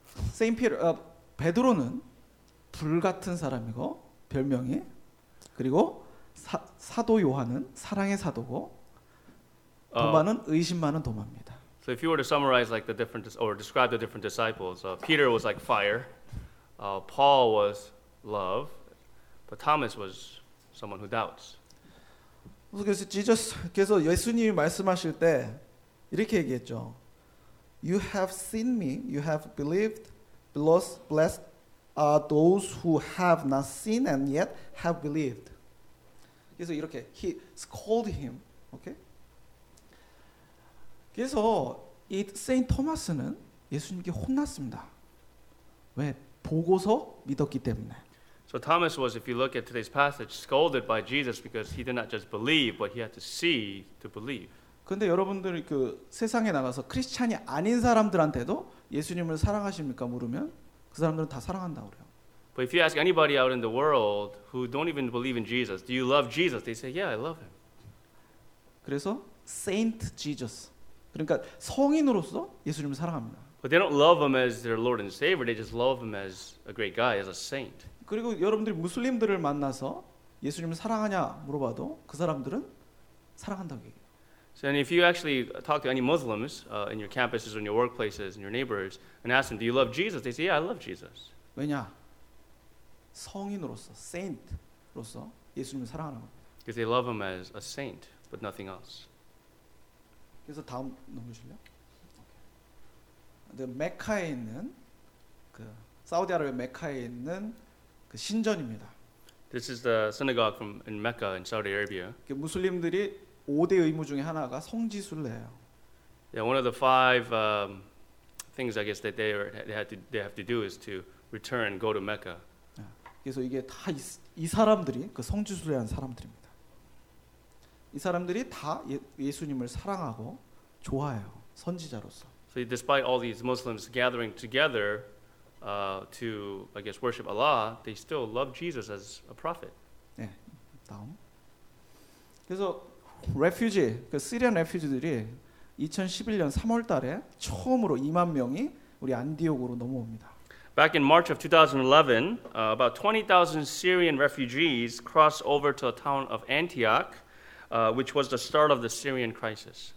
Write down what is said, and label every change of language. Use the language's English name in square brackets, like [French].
[Korean] Saint Peter, 베드로는 불 같은 사람이고 별명이 그리고 사도 요한은 사랑의 사도고 도마는 의심 많은 도마입니다. [English] So if you were to summarize like the different or describe the different disciples, Peter was like fire, Paul was love, but Thomas was someone who doubts. [Korean] 그래서 예수께서 예수님이 말씀하실 때 이렇게 얘기했죠. [English] You have seen me, you have believed. Blessed are those who have not seen and yet have believed. [Korean] 그래서 이렇게 [English] he called him. Okay. [Korean] 그래서 이 세인트 토마스는 예수님께 혼났습니다. 왜? 보고서 믿었기 때문에. [English] So Thomas was, if you look at today's passage, scolded by Jesus because he did not just believe, but he had to see to believe. [Korean] 근데 여러분들이 그 세상에 나가서 크리스찬이 아닌 사람들한테도 예수님을 사랑하십니까 물으면 그 사람들은 다 사랑한다 그래요. [English] But if you ask anybody out in the world who don't even believe in Jesus, do you love Jesus? They say, "Yeah, I love him." [Korean] 그래서 Saint Jesus. 그러니까 성인으로서 예수님을 사랑합니다. [English] But they don't love him as their Lord and Savior. They just love him as a great guy, as a saint. [Korean] 그리고 여러분들이 무슬림들을 만나서 예수님을 사랑하냐 물어봐도 그 사람들은 사랑한다고 얘기해요. [English] So, and if you actually talk to any Muslims in your campuses, or in your workplaces, in your neighbors, and ask them, "Do you love Jesus?" They say, "Yeah, I love Jesus." [Korean] 왜냐? 성인으로서, saint로서 예수님을 사랑하는 겁니다. [English] Because they love him as a saint, but nothing else. [Korean] 그래서 다음 넘으실래요? [English] Okay. [Korean] 그 메카에 있는 그 사우디아라비아 메카에 있는 그 신전입니다. [English] This is the synagogue from in Mecca in Saudi Arabia. [Korean] 그 무슬림들이 5대 의무 중에 하나가 성지 순례예요. [English] Yeah, one of the five things I guess that they have to do is to return, go to Mecca. [Korean] 그래서 이게 다 이 사람들이 그 성지 순례한 사람들입니다. 이 사람들이 다 예수님을 사랑하고 좋아해요. 선지자로서. [English] So despite all these Muslims gathering together to I guess worship Allah, they still love Jesus as a prophet. [Korean] 네, 다음. 그래서 레퓨지, 그 시리안 레퓨지들이 2011년 3월 달에 처음으로 2만 명이 우리 안디옥으로 넘어옵니다. [English] Back in March of 2011, about 20,000 Syrian refugees crossed over to the town of Antioch, which was the start of the Syrian crisis.